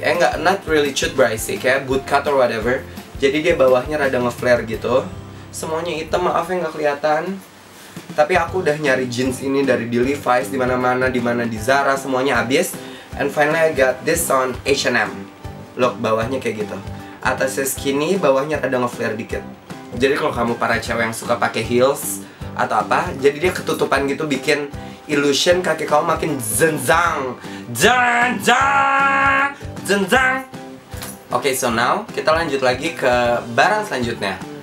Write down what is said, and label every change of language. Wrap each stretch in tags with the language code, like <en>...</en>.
<id>Enggak,</id> <en>not really cut bray sih, kayak boot cut or whatever.</en> <id>Jadi dia bawahnya rada nge-flare gitu. Semuanya hitam, maaf ya enggak kelihatan. Tapi aku udah nyari jeans ini dari di Levi's, di mana-mana, di mana di Zara, semuanya habis.</id> <en>And finally I got this on H&M. Look,</en> <id>bawahnya kayak gitu. Atasnya skinny, bawahnya rada nge-flare dikit. Jadi kalau kamu para cewek yang suka pakai heels atau apa, jadi dia ketutupan gitu bikin illusion kaki kamu makin zenzang. Zenzang! Zenzang!</id> <en>Okay, so now</en> <id>kita lanjut lagi ke barang selanjutnya.</id>